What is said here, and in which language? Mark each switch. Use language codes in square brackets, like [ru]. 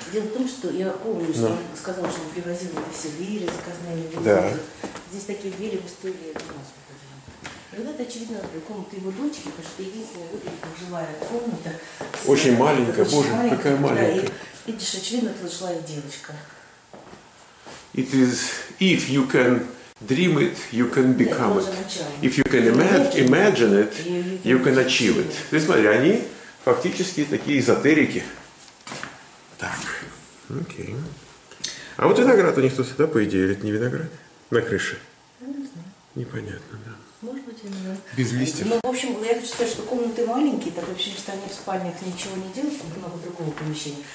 [ru] Дело в том, что я помню, что он сказал, что он привозил эти все двери заказные. Да. Здесь такие двери пустые, это у нас вот это очевидно комната его дочки, потому что это единственная выглядит как живая комната. Очень маленькая, боже, маленькая, какая маленькая. И, видишь, очевидно, тут жила и девочка. [en] It is, if you can dream it, you can become it. If you can imagine it, you can achieve it. [ru] Ты смотри, они фактически такие эзотерики. Так, окей. А вот виноград у них тут, да, по идее, это не виноград? На крыше? Я не знаю. Непонятно, да. Может быть, я не знаю. Без листьев. Ну, в общем, я хочу сказать, что комнаты маленькие, так вообще, что они в спальнях ничего не делают, там много другого помещения.